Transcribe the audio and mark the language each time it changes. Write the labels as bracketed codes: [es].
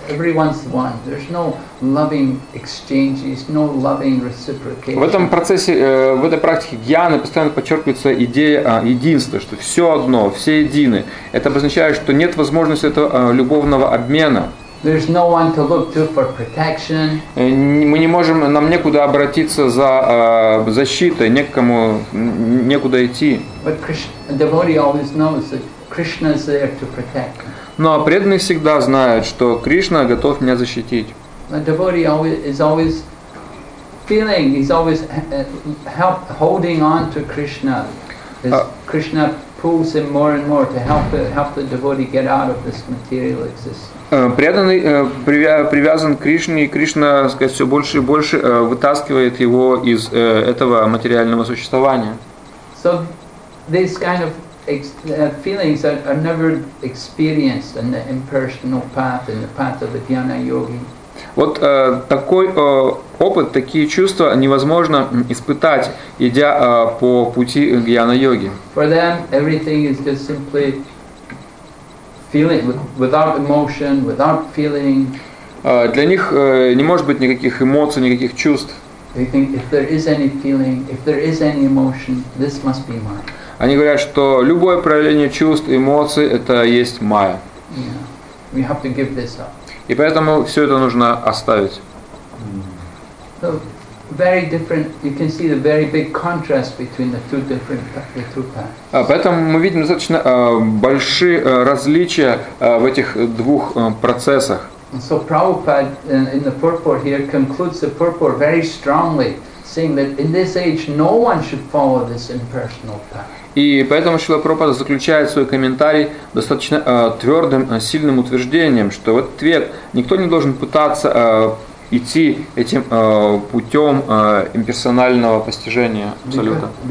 [en] Everyone's one. There's no loving exchanges, no loving reciprocation. [ru] В этом процессе, в этой практике гьяны постоянно подчеркивается идея единства, что все одно, все едины. Это обозначает, что нет возможности этого любовного обмена. [en] There's no one to look to for protection. [ru] Мы не можем, нам некуда обратиться за защитой, некому, некуда идти. [en] But Krishna, devotee always knows that Krishna is there to protect. [ru] Но преданный всегда знает, что Кришна готов меня защитить. [en] Devotee is always feeling, he's always help holding on to Krishna. Krishna pulls him more and more to help the devotee get out of this material existence. [ru] Преданный привязан к Кришне, и Кришна, так сказать, все больше и больше вытаскивает его из этого материального существования. [en] So this kind of feelings are never experienced in the impersonal path, in the path of the Jnana Yogi. [ru] Вот такой опыт, такие чувства невозможно испытать, идя по пути Jnana Yogi. [en] For them, everything is just simply feeling, without emotion, without feeling. [ru] Для них не может быть никаких эмоций, никаких чувств. [en] They think if there is any feeling, if there is any emotion, this must be mine. [ru] Они говорят, что любое проявление чувств, эмоций – это есть майя. [en] Yeah. We have to give this up. [ru] И поэтому все это нужно оставить. [en] So, very different. You can see the very big contrast between the two different paths. [ru] Поэтому мы видим достаточно большие различия в этих двух процессах. [en] So Prabhupada in the purport here concludes the purport very strongly, saying that in this age no one should follow this impersonal path. [ru] И поэтому Шрила Прабхупада заключает свой комментарий достаточно твердым, сильным утверждением, что в этот век никто не должен пытаться идти этим путем имперсонального постижения Абсолюта.